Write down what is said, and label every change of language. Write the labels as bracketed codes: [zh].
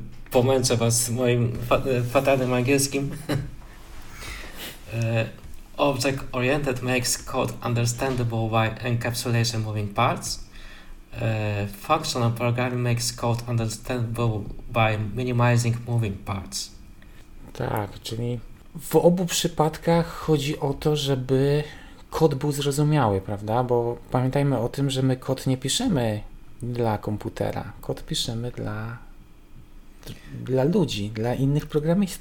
[pl] Pomęczę Was z moim fatalnym angielskim. [en] Object oriented makes code understandable by encapsulation moving parts. Functional programming makes code understandable by minimizing moving parts. [pl] Tak, czyli w obu przypadkach chodzi o to, żeby kod był zrozumiały, prawda? Bo pamiętajmy o tym, że my kod nie piszemy dla komputera. Kod piszemy dla ludzi, dla innych programistów.